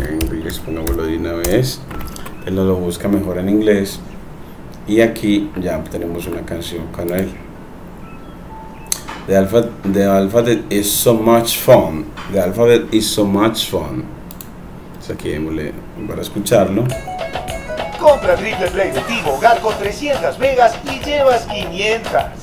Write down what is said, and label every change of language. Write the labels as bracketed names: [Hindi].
[Spanish] Inglés, pongámoslo de una vez. Él lo busca mejor en inglés. Y aquí ya tenemos una canción con él. [English] The alphabet is so much fun. The alphabet is so much fun. [Spanish] Aquí démosle para escucharlo. Compra Triple Play de Tigo Hogar con 300 megas y llevas 500.